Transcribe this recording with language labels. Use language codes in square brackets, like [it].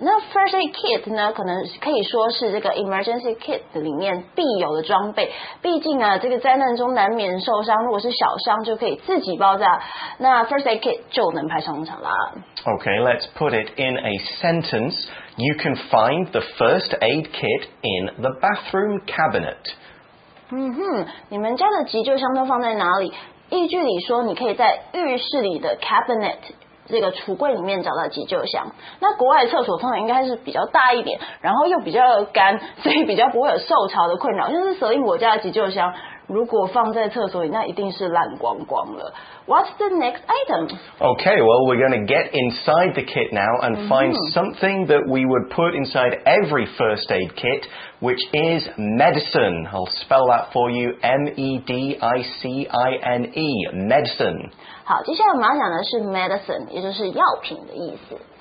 [zh] 那 first aid kit 呢，可能可以说是这个 emergency kit 里面必有的装备。毕竟啊，这个灾难中难免受伤，如果是小伤就可以自己包扎，那 first aid kit 就能派上用场啦。 [en] Okay, let's put it in a sentence. You can find the first aid kit in the bathroom cabinet. [zh] 嗯哼，你们家的急救箱都放在哪里？例句里说，你可以在浴室里的 cabinet 这个橱柜里面找到急救箱。那国外的厕所通常应该是比较大一点，然后又比较干，所以比较不会有受潮的困扰。就是舍令我家的急救箱，如果放在厕所里，那一定是烂光光了。 [en] What's the next item? Okay, well, we're going to get inside the kit now and find something that we would put inside every first aid kit, which is medicine. I'll spell that for you, M-E-D-I-C-I-N-E, medicine. [zh] 好，接下来我们要讲的是 medicine, 也就是药品的意思。